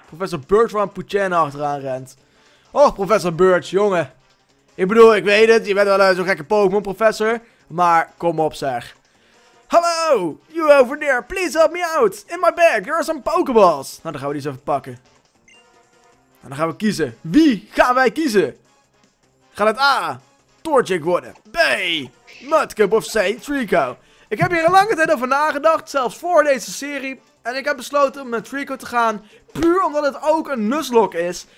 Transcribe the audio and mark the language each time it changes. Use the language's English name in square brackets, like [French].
[Dutch] Professor Birch waar een Poochyena achteraan rent. Oh, Professor Birch, jongen. Ik bedoel, ik weet het. Je bent wel zo'n gekke Pokémon, professor. Maar kom op, zeg. [English] Hallo, you over there, please help me out. In my bag, there are some Pokeballs. [Dutch] Nou, dan gaan we die eens even pakken. En dan gaan we kiezen. Wie gaan wij kiezen? Gaat het A, Torchic worden? B, Mudkip of C, Treecko? Ik heb hier een lange tijd over nagedacht, zelfs voor deze serie. En ik heb besloten om met Treecko te gaan, puur omdat het ook een Nuzlocke is.